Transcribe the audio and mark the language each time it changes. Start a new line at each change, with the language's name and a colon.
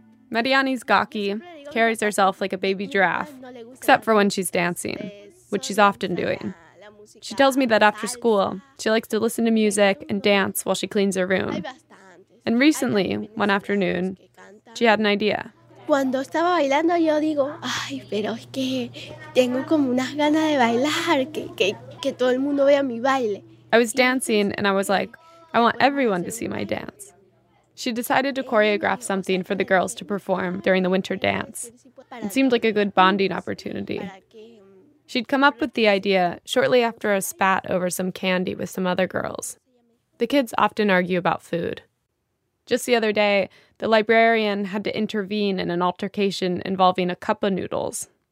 English: Mariani's gawky, carries herself like a baby giraffe, except for when she's dancing, which she's often doing. She tells me that after school, she likes to listen to music and dance while she cleans her room. And recently, one afternoon, she had an idea.
Spanish: Cuando estaba bailando, yo digo, ay, pero es que tengo como unas ganas de bailar, que todo el mundo vea mi baile.
English: I was dancing, and I was like, I want everyone to see my dance. She decided to choreograph something for the girls to perform during the winter dance. It seemed like a good bonding opportunity. She'd come up with the idea shortly after a spat over some candy with some other girls. The kids often argue about food. Just the other day, the librarian had to intervene in an altercation involving a cup of noodles.